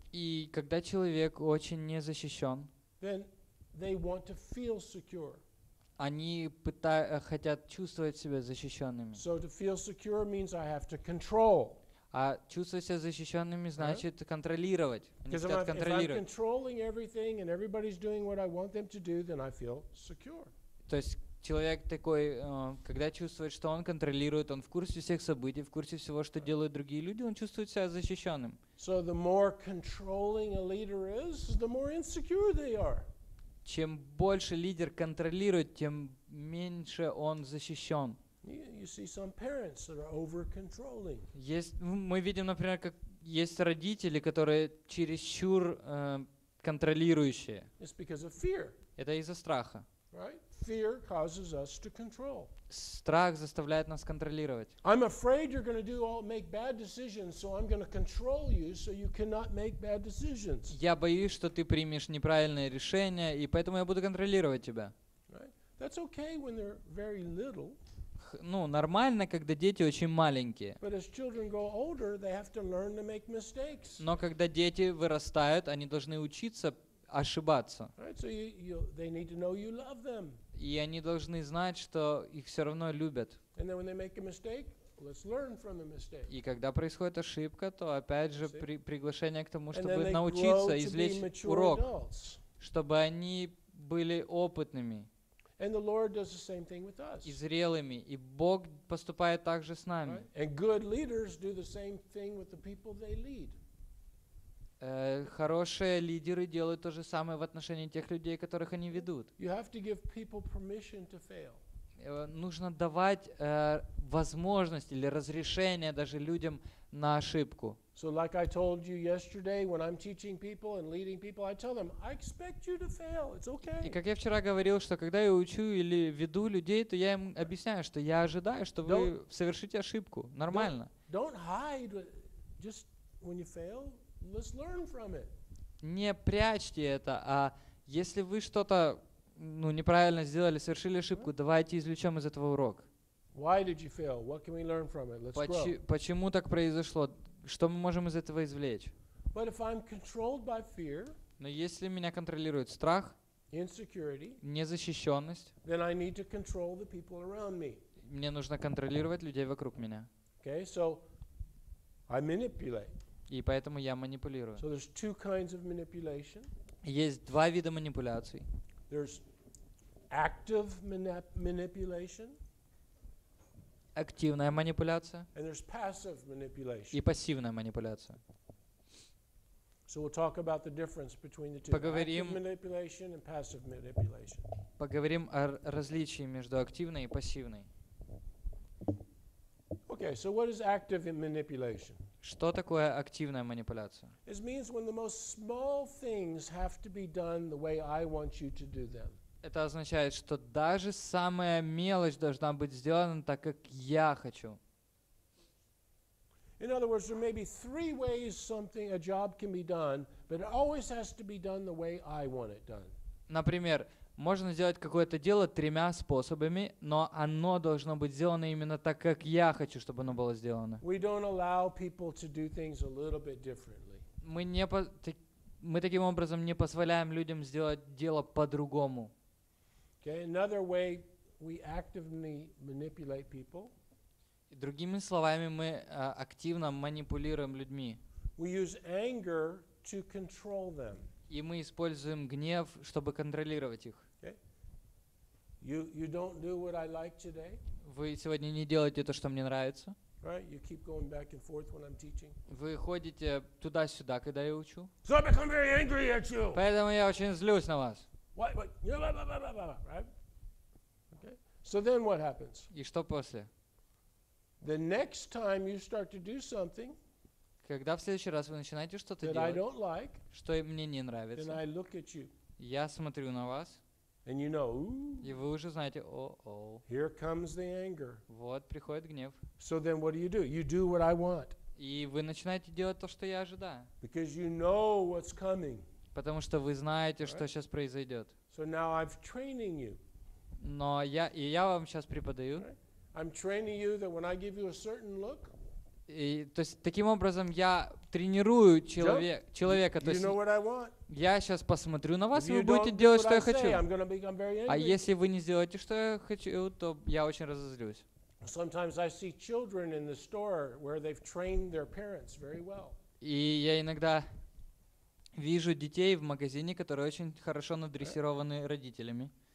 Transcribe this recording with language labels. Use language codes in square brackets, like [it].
[ru] и когда человек очень незащищен, [en] then they want to feel secure. [ru] Они хотят чувствовать себя защищенными. [en] So to feel secure means I have to control. [ru] А чувствовать себя защищенными значит контролировать. Они хотят контролировать. [en] If I'm controlling everything and everybody's doing what I want them to do, then I feel secure. [ru] То есть человек такой, когда чувствует, что он контролирует, он в курсе всех событий, в курсе всего, что делают другие люди, он чувствует себя защищенным. [en] So the more controlling a leader is, the more insecure they are. [ru] Чем больше лидер контролирует, тем меньше он защищен. [en] You see some parents that are over-controlling. [ru] Мы видим, например, как есть родители, которые чересчур контролирующие. [en] It's because of fear. [ru] Это из-за страха. [en] Right? Fear causes us to control. [ru] Страх заставляет нас контролировать. [en] I'm afraid you're going to do all make bad decisions, so I'm going to control you so you cannot make bad decisions. [ru] Я боюсь, что ты примешь неправильное решение, и поэтому я буду контролировать тебя. [en] Right? That's okay when they're very little. [ru] Ну, нормально, когда дети очень маленькие. [en] But as children grow older, they have to learn to make mistakes. [ru] Но когда дети вырастают, они должны учиться ошибаться. [en] Right, so they need to know you love them. [ru] И они должны знать, что их все равно любят. [en] And then when they make a mistake, let's learn from the mistake. [ru] И когда происходит ошибка, то опять же приглашение к тому, чтобы научиться, извлечь урок, чтобы они были опытными. [en] And the Lord does the same thing with us. [ru] И зрелыми. И Бог поступает так же с нами. [en] Right? And good leaders do the same thing with the people they lead. [ru] Хорошие лидеры делают то же самое в отношении тех людей, которых они ведут. [en] You have to give people permission to fail. [ru] Нужно давать возможность или разрешение даже людям на ошибку. [en] So like I told you yesterday, when I'm teaching people and leading people, I tell them, I expect you to fail. It's okay. [ru] И как я вчера говорил, что когда я учу или веду людей, то я им объясняю, что я ожидаю, что вы совершите ошибку. Нормально. [en] Don't hide just when you fail. Let's learn from it. [ru] Не прячьте это, а если вы что-то неправильно сделали, совершили ошибку, [en] right. [ru] Давайте извлечем из этого урок. [en] Why did you fail? What can we learn from it? Let's grow. [ru] Почему так произошло? Что мы можем из этого извлечь? [en] But if I'm controlled by fear, [ru] но если меня контролирует страх, [en] insecurity, [ru] незащищенность, [en] then I need to control the people around me. [ru] Мне нужно контролировать людей вокруг меня. [en] Okay, so I manipulate. [ru] И поэтому я манипулирую. [en] So there's two kinds of manipulation. [ru] Есть два вида манипуляций. [en] There's active manipulation. [ru] Активная манипуляция. [en] And there's passive manipulation. [ru] И пассивная манипуляция. [en] So we'll talk about the difference between the two. Active manipulation and passive manipulation. [ru] Поговорим о различии между активной и пассивной. [en] Okay, so what is active manipulation? [ru] Что такое активная манипуляция? [en] It means when the most small things have to be done the way I want you to do them. [ru] Это означает, что даже самая мелочь должна быть сделана так, как я хочу. [en] In other words, there may be three ways something a job can be done, but it always has to be done the way I want it done. [ru] Например, можно сделать какое-то дело тремя способами, но оно должно быть сделано именно так, как я хочу, чтобы оно было сделано. [en] We don't allow people to do things a little bit differently. [ru] Мы таким образом не позволяем людям сделать дело по-другому. [en] Okay, another way we actively manipulate people. [ru] Другими словами, мы активно манипулируем людьми. [en] We use anger to control them. [ru] И мы используем гнев, чтобы контролировать их. [en] Okay. You don't do what I like today. [ru] Вы сегодня не делаете то, что мне нравится. [en] Right? You keep going back and forth when I'm teaching. [ru] Вы ходите туда-сюда, когда я учу. [en] So I become very angry at you. [ru] Поэтому я очень злюсь на вас. [en] Right? Okay. So then what happens? [ru] И что после? [en] The next time you start to do something, [ru] когда в следующий раз вы начинаете что-то [en] that [ru] делать, [en] I don't like, [ru] что мне не нравится, [en] then I look at you, [ru] я смотрю на вас, [en] and you know, [ru] и вы уже знаете, [en] here comes the anger. [ru] Вот приходит гнев. [en] So then what do? You do what I want. [ru] И вы начинаете делать то, что я ожидаю. [en] Because you know what's coming. [ru] Потому что вы знаете, [en] right? [ru] Что сейчас произойдет. [en] So now I'm training you. [ru] Но я вам сейчас преподаю. [en] Right? I'm training you that when I give you a certain look. [ru] И, то есть, таким образом я тренирую человека. [en] You know what I want? [ru] Я сейчас посмотрю на вас, и вы будете делать, что я хочу. [en] I'm going to become very angry. [ru] А если вы не сделаете, что я хочу, то я очень разозлюсь. [en] Sometimes I see children in the store where they've trained their parents very well. [ru] И я иногда вижу детей в магазине, которые очень хорошо надрессированы родителями.